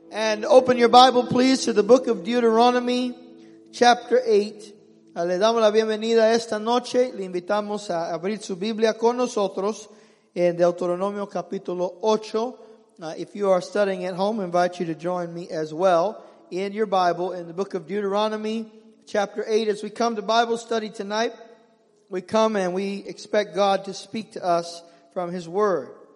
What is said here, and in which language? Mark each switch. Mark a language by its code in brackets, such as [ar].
[en] And open your Bible, please, to the book of Deuteronomy, chapter 8. [es] Le damos la bienvenida esta noche. Le invitamos a abrir su Biblia con nosotros en Deuteronomio, capítulo 8. [en] If you are studying at home, I invite you to join me as well in your Bible in the book of Deuteronomy, chapter 8. As we come to Bible study tonight, we come and we expect God to speak to us from His Word.